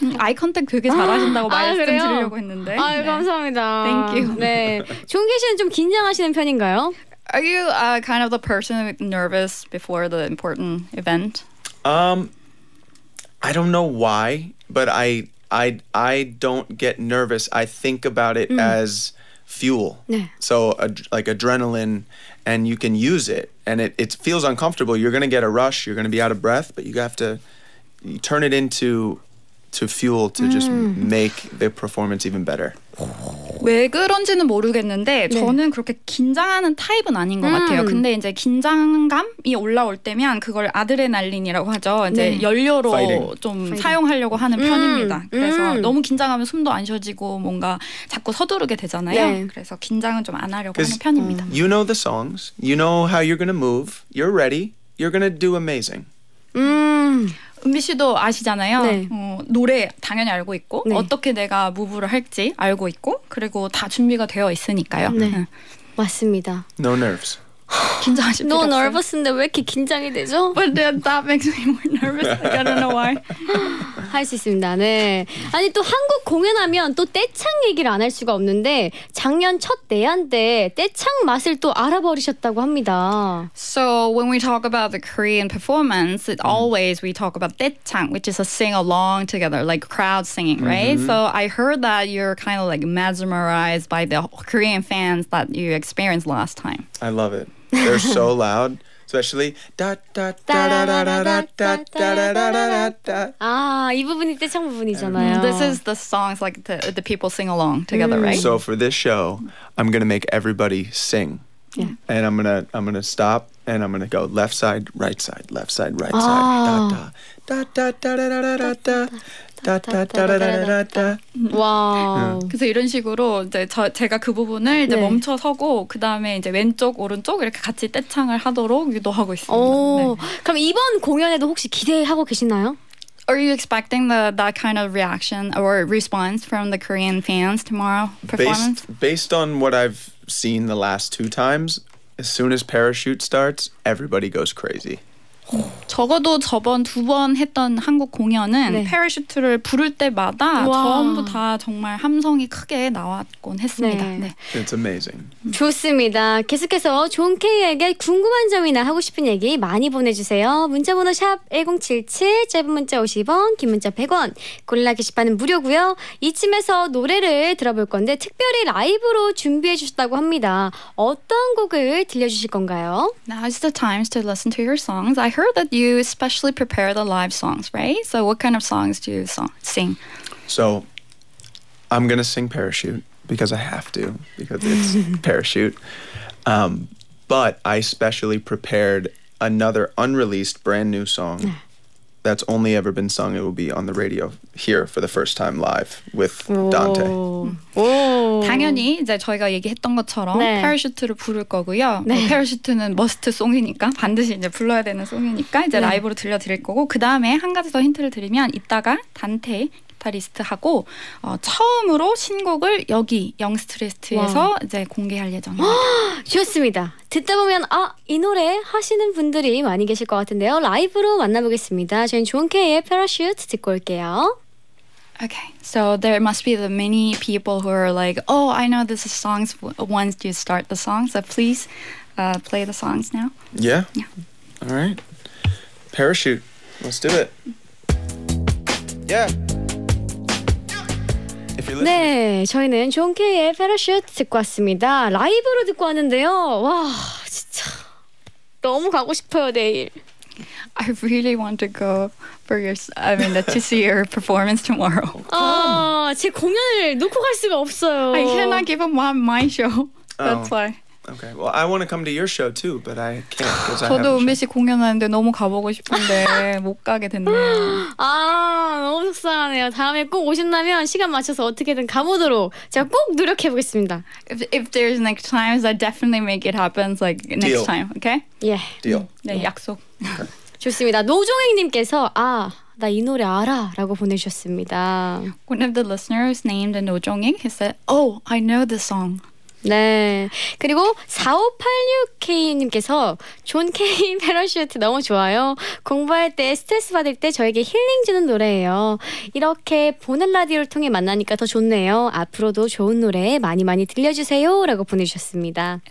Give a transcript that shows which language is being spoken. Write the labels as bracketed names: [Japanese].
[Korean] Eye contact 되게 잘하신다고 말씀드리려고 했는데. 아 네. 감사합니다. [English] Thank you. [Korean] 네, 존 케이 씨는 좀 긴장하시는 편인가요? [English] Are you kind of the person nervous before the important event? I don't know why, but I don't get nervous. I think about it as fuel. [Korean] 네. [English] So like adrenaline, and you can use it, and it feels uncomfortable. You're gonna get a rush. You're gonna be out of breath, but you have to turn it into fuel to just make the performance even better. [Korean] 왜 그런지는 모르겠는데 저는 그렇게 긴장하는 타입은 아닌 것 같아요. 근데 이제 긴장감이 올라올 때면 그걸 아드레날린이라고 하죠. 이제 연료로 사용하려고 하는 편입니다. 그래서 너무 긴장하면 숨도 안 쉬어지고 뭔가 자꾸 서두르게 되잖아요. 네. 그래서 긴장은 좀 안 하려고 하는 편입니다. [English] You know the songs. You know how you're gonna move. You're ready. You're gonna do amazing. [Korean] 은비 씨도 아시잖아요. 네. 노래 당연히 알고 있고 어떻게 내가 무브를 할지 알고 있고 그리고 다 준비가 되어 있으니까요. 맞습니다. [English] No nerves. [Korean] 긴장하실 필요 없어요. [English] No nervous [Korean] 인데 왜 이렇게 긴장이 되죠? [English] But that makes me more nervous. I don't know why. [Korean] 할 수 있습니다. 네. 아니 또 한국 공연하면 또 떼창 얘기를 안 할 수가 없는데 작년 첫 대한 때 떼창 맛을 또 알아버리셨다고 합니다. [English] So when we talk about the Korean performance, it always we talk about 떼창, which is a sing along together, like crowd singing, right? Mm-hmm. So I heard that you're kind of like mesmerized by the Korean fans that you experienced last time. I love it. They're so loud. Especially da da da da da da da da da da da da da. [Korean] Ah, 이 부분이 떼창 부분이잖아요. [English] This is the songs like the people sing along together, right? So for this show, I'm gonna make everybody sing. Yeah. And I'm gonna stop and I'm gonna go left side, right side, left side, right side, da da da da da da da da da. 다다다다다다다. 와. [Korean] 그래서 이런 식으로 이제 제가 그 부분을 이제 네. 멈춰 서고 그 다음에 이제 왼쪽 오른쪽 이렇게 같이 떼창을 하도록 유도하고 있습니다. 네. 그럼 이번 공연에도 혹시 기대하고 계시나요? [English] Are you expecting that kind of reaction or response from the Korean fans tomorrow performance? Based on what I've seen the last two times, as soon as parachute starts, everybody goes crazy. [Korean] 적어도 저번 두 번 했던 한국 공연은 네. 패러슈트를 부를 때마다 우와. 전부 다 정말 함성이 크게 나왔곤 했습니다. 네. [English] 네. It's amazing. [Korean] 좋습니다. 계속해서 존 K에게 궁금한 점이나 하고 싶은 얘기 많이 보내주세요. 문자번호 샵 1077, 짧은 문자 50원, 긴 문자 100원, 고릴라 게시판은 무료고요. 이쯤에서 노래를 들어볼 건데 특별히 라이브로 준비해 주셨다고 합니다. 어떤 곡을 들려주실 건가요? [English] Now is the time to listen to your songs. I heard that you especially prepare the live songs, right? So what kind of songs do you sing? So I'm going to sing Parachute because I have to, because it's Parachute. But I specially prepared another unreleased brand new song that's only ever been sung. It will be on the radio here for the first time live with Dante. [Korean] 당연히 이제 저희가 얘기했던 것처럼 네. 패러슈트를 부를 거고요. 네. 뭐 패러슈트는 머스트 송이니까 반드시 이제 불러야 되는 송이니까 이제 네. 라이브로 들려드릴 거고 그다음에 한 가지 더 힌트를 드리면 이따가 단테 기타리스트하고 처음으로 신곡을 여기 영스트리트에서 이제 공개할 예정입니다. 좋습니다. 듣다 보면 아, 이 노래 하시는 분들이 많이 계실 것 같은데요. 라이브로 만나보겠습니다. 저희는 존케이의 패러슈트 듣고 올게요. [English] Okay, so there must be the many people who are like, oh, I know this is songs once you start the song, so please play the songs now. Yeah? Yeah. All right. Parachute. Let's do it. Yeah. [Korean] 네, 저희는 존 케이의 Parachute 듣고 왔습니다. 라이브로 듣고 왔는데요. 와, 진짜 너무 가고 싶어요, 내일. [English] I really want to go for your, I mean, to see your performance tomorrow. [Korean] 아, 제 공연을 놓고 갈 수가 없어요. [English] I cannot give up my show. That's why. Okay, well, I want to come to your show too, but I can't because I have a show. [Korean] 저도 은비 씨 공연하는데 너무 가보고 싶은데 못 가게 됐네요. 아, 너무 속상하네요. 다음에 꼭 오신다면 시간 맞춰서 어떻게든 가보도록 제가 꼭 노력해보겠습니다. [English] If there's next time, I'll definitely make it happen like next time, okay? Yeah. Deal. [Korean] 네, 약속. 좋습니다. 노종행님께서 아, 나 이 노래 알아 라고 보내주셨습니다. [English] One of the listeners named a 노종행, he said, oh, I know the song. [Korean] 네. 그리고 4586K님께서 존 케이 패러슈트 너무 좋아요. 공부할 때 스트레스 받을 때 저에게 힐링 주는 노래예요. 이렇게 보는 라디오를 통해 만나니까 더 좋네요. 앞으로도 좋은 노래 많이 많이 들려주세요 라고 보내주셨습니다.